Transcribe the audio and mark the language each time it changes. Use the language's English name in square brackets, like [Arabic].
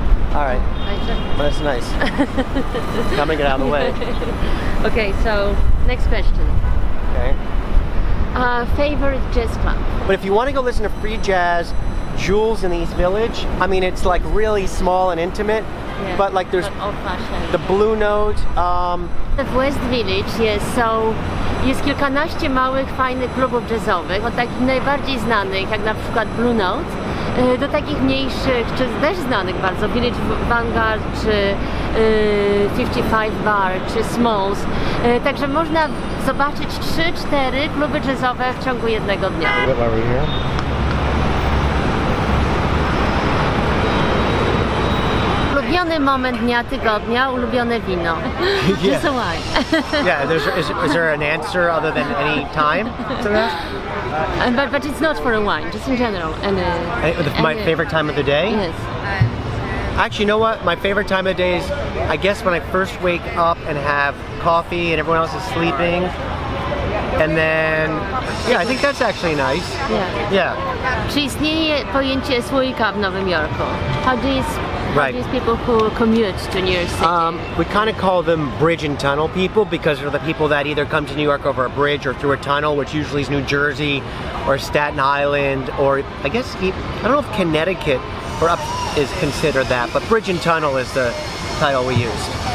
[English] Alright, that's nice. Come and get out of the way. Okay, so next question. Okay. Favorite jazz club? But if you want to go listen to free jazz, Jules in the East Village. I mean, it's like really small and intimate, yeah, but like there's old-fashioned. The Blue Note. [Polish] W West Village, [English] yes, so [Polish] jest kilkanaście małych, fajnych klubów jazzowych, od takich najbardziej znanych, jak na przykład Blue Note, do takich mniejszych, czy też znanych bardzo, Village Vanguard, czy 55 Bar, czy Smalls. Także można zobaczyć 3-4 kluby jazzowe w ciągu jednego dnia. Ulubiony moment dnia, tygodnia, ulubione wino. [English] Yeah. is there an answer other than any time to that? But it's not for a wine, just in general. My favorite time of the day? Yes. Actually, you know what? My favorite time of the day is, I guess, when I first wake up and have coffee and everyone else is sleeping. And then, yeah, I think that's actually nice. Yeah. Yeah. [Polish] Czy istnieje pojęcie słoika w Nowym Jorku? [English] Right. These people who commute to New York City. We kind of call them bridge and tunnel people because they're the people that either come to New York over a bridge or through a tunnel, which usually is New Jersey or Staten Island or I guess, I don't know if Connecticut or up is considered that, but bridge and tunnel is the title we used.